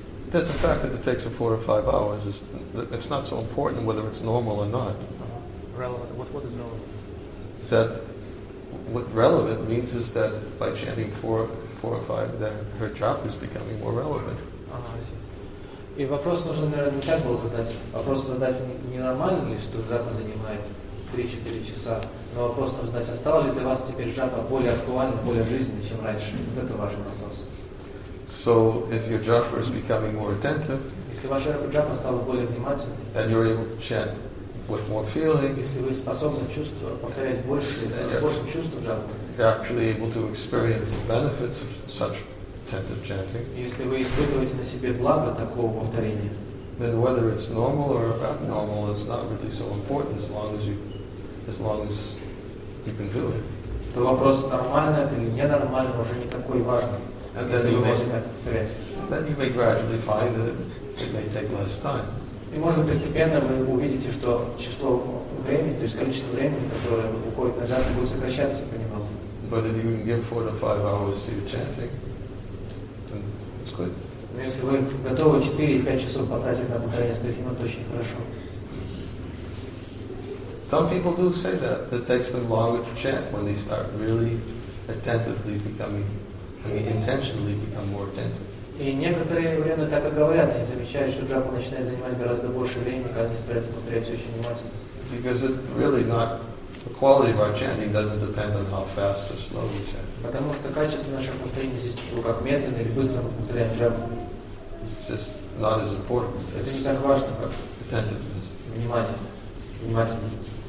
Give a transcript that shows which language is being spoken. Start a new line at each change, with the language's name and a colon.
English: That the fact that it takes 4 or 5 hours, is it's not so important whether it's normal or not. Relevant, what is normal? That what relevant means is that by chanting four or five, then her job is becoming more relevant.
Russian: И вопрос нужно, наверное, не так было задать. Вопрос задать не нормально ли, что джапа занимает 3-4 часа. Но вопрос нужно задать, а стало ли для вас теперь джапа более актуальным, более жизненным, чем раньше? Вот это важный вопрос.
English: So, if your japa is becoming more attentive,
Russian: если ваша джапа стала более внимательной,
English: then you're able to chant with more feeling,
Russian: если вы способны чувствовать, повторять больше, большим чувством джапы,
English: you're actually able to experience the benefits of such attentive chanting,
Russian: если вы испытываете на себе благо такого повторения,
English: then whether it's normal or abnormal is not really so important as long as you can do it.
Russian: То вопрос, нормально это или ненормально, уже не такой важный.
English: Then you may gradually find that it may take less time.
Russian: И можно постепенно вы увидите, что число времени, то есть количество времени, которое уходит на джапу, будет сокращаться понемногу.
English: But if you can give 4 to 5 hours to your chanting, then it's good.
Russian: Но если вы готовы 4-5 часов потратить на повторение стихи, то очень хорошо.
English: Some people do say that it takes them longer to chant when they start really attentively becoming, I mean, intentionally become more attentive.
Russian: И некоторые время так и говорят, они замечают, что джапа начинает занимать гораздо больше времени, когда они стараются повторять очень внимательно.
English: Because it really not the quality of our chanting doesn't depend on how fast or slow we chant.
Russian: Потому что качество наших повторений зависит как медленно или быстро мы повторяем джапу.
English: It's just not as important.
Russian: Это не так важно, как
English: attentiveness.
Russian: Внимание. Внимательность.